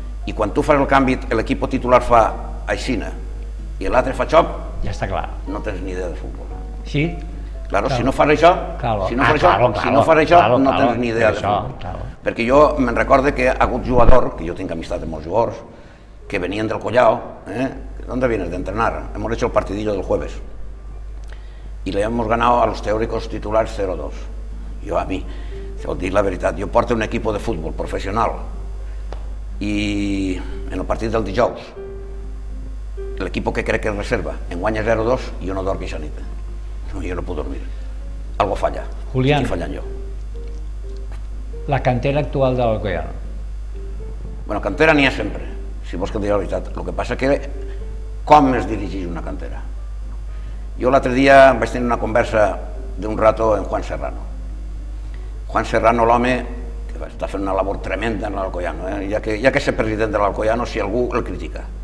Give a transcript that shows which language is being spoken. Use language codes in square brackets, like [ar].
[ca] I quan tu fas el canvi, l'equip titular fa aixina i l'altre fa xop, ja està clar. No tens ni idea de futbol. Sí? Claro, si no fas això, [es] claro. [ca] Si no fas això, no tens ni idea de futbol. [es] Claro. [ca] Perquè jo me'n recordo que hi ha hagut jugador, que jo tinc amistat amb molts jugadors, que venien del Collao, d'on vienes d'entrenar? [es] Hemos hecho el partidillo del jueves. I li hemos ganado a los teóricos titulars 0-2. [ca] Jo, a mi, te lo dic la veritat, jo porto un equipo de futbol professional i en el partit del dijous, l'equipo que crec que es reserva, en guanya 0-2 i jo no dormi aquesta nit. No, jo no puc dormir. Algo falla. Julián, estic fallant jo. La cantera actual de l'Alcoyano. Bueno, cantera n'hi ha sempre, si vols que et digui la veritat. El que passa és que com es dirigeix una cantera. Jo l'altre dia vaig tenir una conversa d'un rato amb Juan Serrano. Juan Serrano, l'home, que està fent una labor tremenda en l'Alcoyano, ja que és el president de l'Alcoyano, si algú el critica.